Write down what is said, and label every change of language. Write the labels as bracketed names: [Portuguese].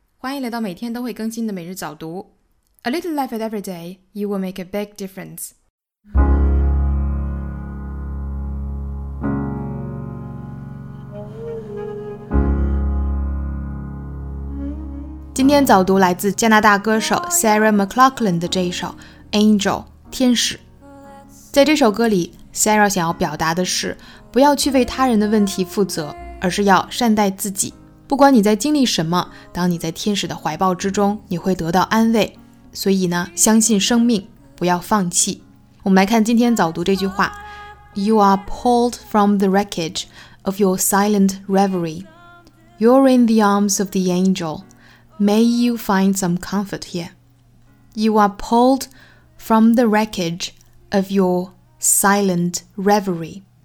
[Chinese] 欢迎来到每天都会更新的每日早读。 [English] A little life at every day, you will make a big difference. Mm-hmm. [Chinese] 今天早读来自加拿大歌手 Sarah McLachlan 的这一首 Angel, 天使。在这首歌里 ,Sarah 想要表达的是不要去为他人的问题负责，而是要善待自己。不管你在经历什么，当你在天使的怀抱之中，你会得到安慰。所以呢，相信生命，不要放弃。我们来看今天早读这句话 [English] You are pulled from the wreckage of your silent reverie. You're in the arms of the angel. May you find some comfort here. You are pulled from the wreckage of your silent reverie.